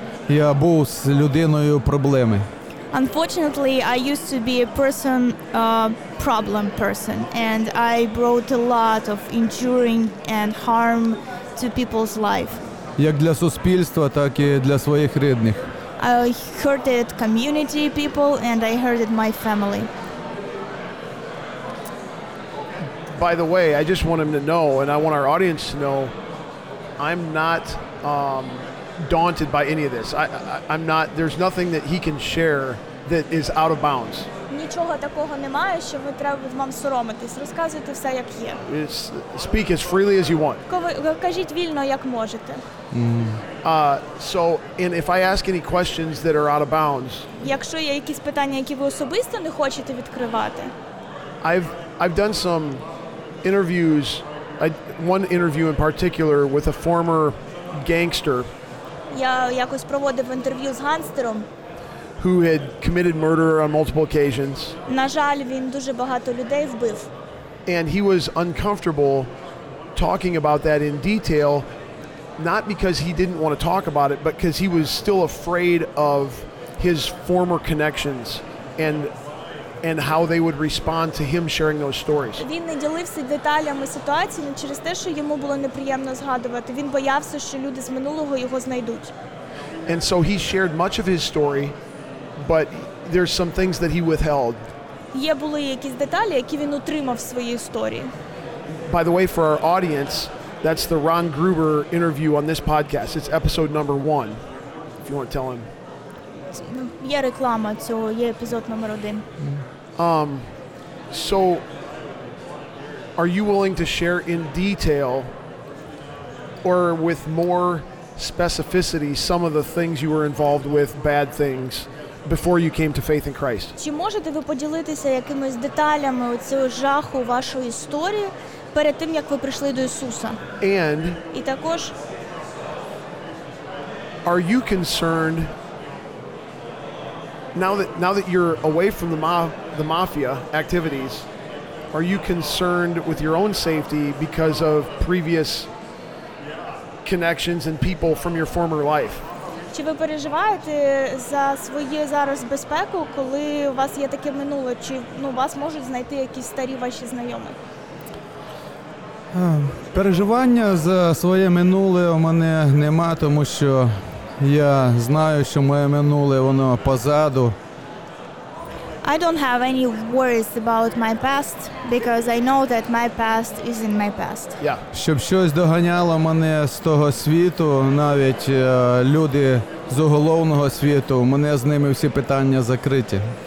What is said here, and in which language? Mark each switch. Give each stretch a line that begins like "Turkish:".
Ukrainian: Я був з людиною проблеми.
English: Unfortunately, I used to be a person, problem person, and I brought a lot of injury and harm to people's life.
Ukrainian: Як для суспільства, так і для своїх рідних.
English: I hurted community people and I hurted my family. By the way, I just want him to know, and I want our audience to know, I'm not daunted by any of this. I'm not, there's nothing that he can share that is out of bounds.
Ukrainian: Нічого такого немає, що ви треба вам соромитись. Розказуйте все, як є.
English: Speak as freely as you want.
Ukrainian: Кажіть вільно, як можете.
English: So, and if I ask any questions that are out of bounds,
Ukrainian: якщо є якісь питання, які ви особисто не хочете відкривати,
English: I've done some interviews, one interview in particular with a former gangster.
Ukrainian: Я якось проводив інтерв'ю з гангстером.
English: Who had committed murder on multiple occasions.
Ukrainian: На жаль, він дуже багато людей вбив.
English: And he was uncomfortable talking about that in detail, not because he didn't want to talk about it, but because he was still afraid of his former connections and how they would respond to him sharing those stories.
Ukrainian: Він не ділився деталями ситуації не через те, що йому було неприємно згадувати. Він боявся, що люди з минулого його знайдуть.
English: And so he shared much of his story, but there's some things that he withheld.
Ukrainian: Є були якісь деталі, які він утримав в своїй історії.
English: By the way, for our audience, that's the Ron Gruber interview on this podcast. It's episode number one, if you want to tell him.
Ukrainian: Є реклама цього, є епізод номер один.
English: So, are you willing to share in detail or with more specificity some of the things you were involved with, bad things, before you came to faith in Christ?
Ukrainian: Чи можете ви поділитися якимись деталями цього жаху вашої історії перед тим, як ви прийшли до Ісуса?
English: And,
Ukrainian: і також,
English: are you concerned now that you're away from the mafia activities, are you concerned with your own safety because of previous connections and people from your former life?
Ukrainian: Чи ви переживаєте за свою зараз безпеку, коли у вас є таке минуле, чи вас можуть знайти якісь старі ваші знайомі? Переживання за своє минуле у мене нема, тому що я знаю, що моє минуле, воно позаду.
English: I don't have any worries about my past because I know that my past is in my past. Yeah.
Ukrainian: Щоб щось доганяло мене з того світу, навіть люди з уголовного світу, мене з ними всі питання закриті.